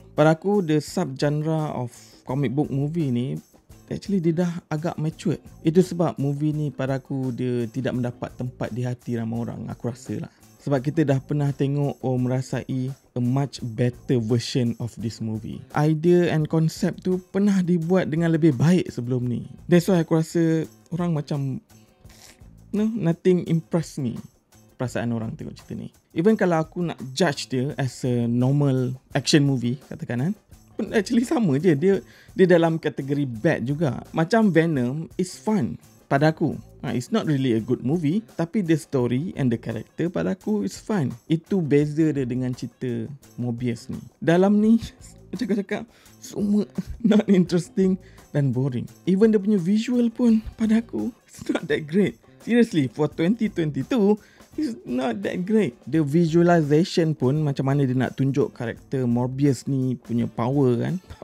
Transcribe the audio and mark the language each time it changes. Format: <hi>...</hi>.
<ms>Pada aku,</ms> <en>the subgenre of comic book movie ni actually dia dah agak mature.</en> <ms>Itu sebab movie ni pada aku dia tidak mendapat tempat di hati ramai orang, aku rasa lah. Sebab kita dah pernah tengok</ms> <en>or merasai a much better version of this movie.</en> <ms>Idea and concept tu pernah dibuat dengan lebih baik sebelum ni.</ms> <en>That's why</en> <ms>aku rasa orang macam</ms> <en>nothing impress me.</en> <ms>Perasaan orang tengok cerita ni. Even kalau aku nak judge dia</ms> <en>as a normal action movie,</en> <ms>katakan pun actually sama je. Dia dalam kategori bad juga. Macam</ms> <en>Venom is fun</en> <ms>pada aku.</ms> <en>It's not really a good movie,</en> <ms>tapi</ms> <en>the story and the character pada aku is fun.</en> <ms>Itu beza dia dengan cerita Morbius ni. Dalam ni cakap-cakap semua</ms> <en>not interesting</en> <ms>dan boring.</ms> <en>Even</en> <ms>dia punya visual pun pada aku</ms> <en>it's not that great. Seriously, for 2022 it's not that great. The visualization</en> <ms>pun macam mana dia nak tunjuk karakter Morbius ni punya power kan.</ms>